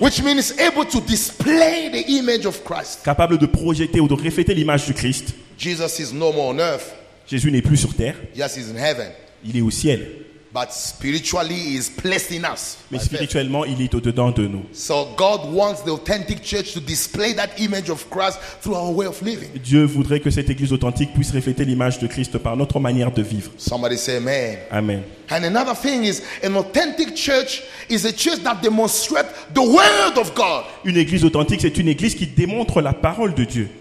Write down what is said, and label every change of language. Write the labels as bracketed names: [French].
[English] Which means able to display the image of Christ. [French] Capable de projeter ou de refléter l'image du Christ. [English] Jesus is no more on earth. [French] Jésus n'est plus sur terre. [English] Yes, he's in heaven. [French] Il est au ciel. [English] But spiritually he is placed in us. [French] Mais spirituellement, il est au-dedans de nous. [English] So God wants the authentic church to display that image of Christ through our way of living. [French] Dieu voudrait que cette église authentique puisse refléter l'image de Christ par notre manière de vivre. [English] Somebody say amen. Amen. And another thing is an authentic church is a church that demonstrates the word of God. [French] Une église authentique, c'est une église qui démontre la parole de Dieu.